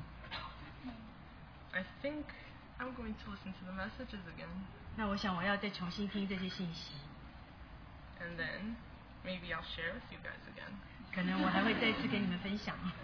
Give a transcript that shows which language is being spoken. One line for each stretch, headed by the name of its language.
English: Yeah. I think I'm going to listen to the messages again.
Chinese: 那我想我要再重新听这些信息.
English: And then maybe I'll share with you guys again.
Chinese: 可能我还会再次跟你们分享.